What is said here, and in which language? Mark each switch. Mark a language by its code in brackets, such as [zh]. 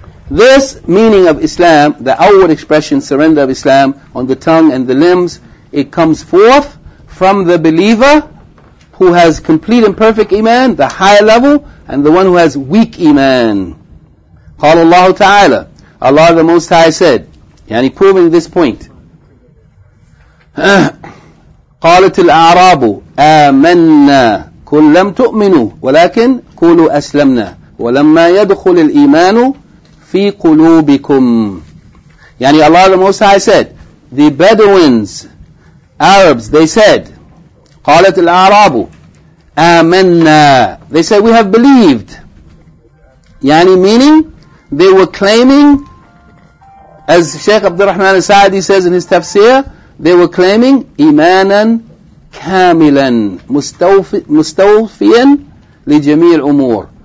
[en] This meaning of Islam, the outward expression, surrender of Islam on the tongue and the limbs, it comes forth from the believer who has complete and perfect iman, the higher level, and the one who has weak iman. [ar] Qala Allah Ta'ala, [en] Allah the Most High said, yani proving this point, [ar] قالت الأعراب آمنا كن لم تؤمنوا ولكن قولوا أسلمنا ولما يدخل الإيمان في قلوبكم. [en] يعني Allah the Most High said, the Bedouins, Arabs, they said, [ar] قالت الأعراب آمنا, [en] they said, we have believed, يعني meaning they were claiming, as Shaykh Abdul Rahman al-Sa'di says in his tafsir, they were claiming [ar] imanan kamilan mustawfiyan li jamil umur.